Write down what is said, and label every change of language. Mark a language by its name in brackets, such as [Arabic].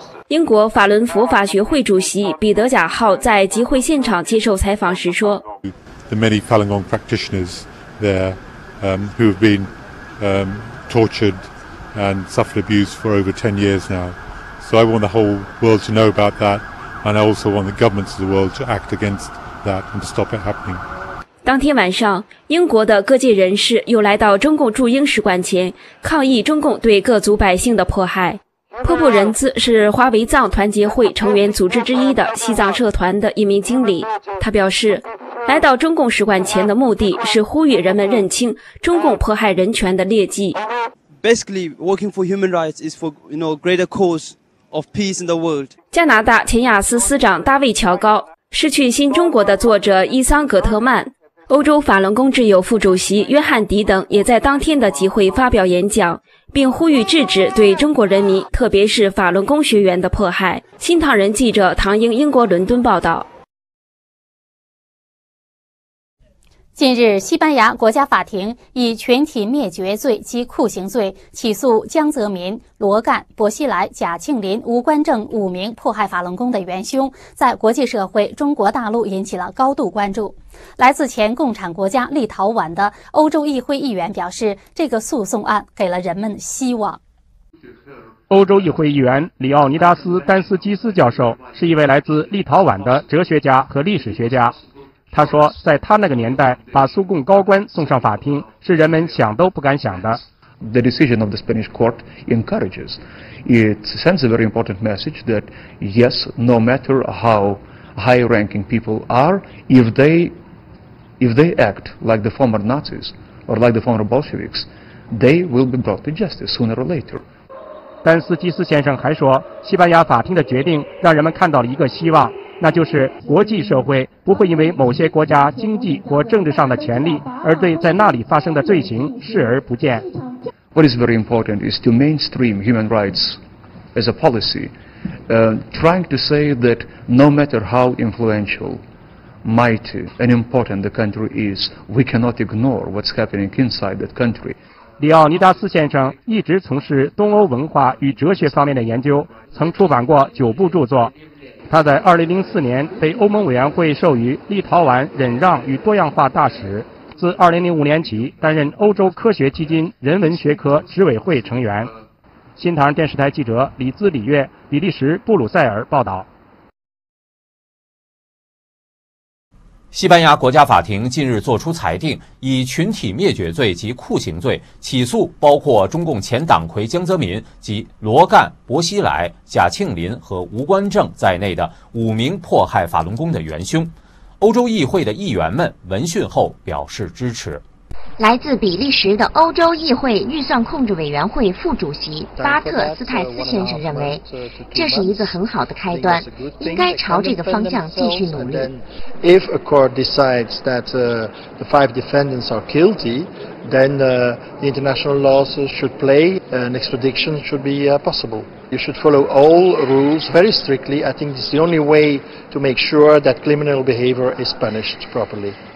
[Chinese] 英国法轮佛法学会主席彼得贾浩在集会现场接受采访时说， [English] The many Falun Gong practitioners there, who have been, tortured and suffered abuse for over 10 years now. So I want the whole world to know about that, and I also want the governments of the world to act against that and to stop it happening. [Chinese] 当天晚上，英国的各界人士又来到中共驻英使馆前，抗议中共对各族百姓的迫害。泼布仁兹是花维藏团结会成员组织之一的西藏社团的一名经理，他表示，来到中共使馆前的目的是呼吁人们认清中共迫害人权的劣迹。 [English] Basically, working for human rights is for, you know, greater cause of peace in the world. [Chinese] 加拿大前雅思司长大卫·乔高，失去新中国的作者伊桑·葛特曼，欧洲法轮功挚友副主席约翰·迪等也在当天的集会发表演讲，并呼吁制止对中国人民，特别是法轮功学员的迫害。新唐人记者唐英，英国伦敦报道。近日，西班牙国家法庭以群体灭绝罪及酷刑罪起诉江泽民、罗干、薄熙来、贾庆林、吴官正五名迫害法轮功的元凶，在国际社会中国大陆引起了高度关注。来自前共产国家立陶宛的欧洲议会议员表示，这个诉讼案给了人们希望。欧洲议会议员里奥尼达斯·丹斯基斯教授是一位来自立陶宛的哲学家和历史学家，他说，在他那个年代，把苏共高官送上法庭是人们想都不敢想的。 [English] The decision of the Spanish court encourages. It sends a very important message that yes, no matter how high-ranking people are, if they act like the former Nazis or like the former Bolsheviks, they will be brought to justice sooner or later. [Chinese] 丹斯基斯先生还说，西班牙法庭的决定让人们看到了一个希望。那就是国际社会不会因为某些国家经济或政治上的权利而对在那里发生的罪行视而不见。 [English] What is very important is to mainstream human rights as a policy, trying to say that no matter how influential mighty and important the country is, we cannot ignore what's happening inside that country. [Chinese] 里奥尼达斯先生一直从事东欧文化与哲学方面的研究，曾出版过9部著作。他在2004年被欧盟委员会授予立陶宛忍让与多样化大使，自2005年起担任欧洲科学基金人文学科执委会成员。新唐电视台记者李兹李月，比利时布鲁塞尔报道。西班牙国家法庭近日作出裁定，以群体灭绝罪及酷刑罪起诉包括中共前党魁江泽民及罗干、薄熙来、贾庆林和吴官正在内的5名迫害法轮功的元凶。欧洲议会的议员们闻讯后表示支持。来自比利时的欧洲议会预算控制委员会副主席巴特斯泰斯先生认为，这是一个很好的开端，应该朝这个方向继续努力。 [English] If a court decides that the 5 defendants are guilty, then the international laws should play, an extradition should be possible. You should follow all rules very strictly. I think it's the only way to make sure that criminal behavior is punished properly.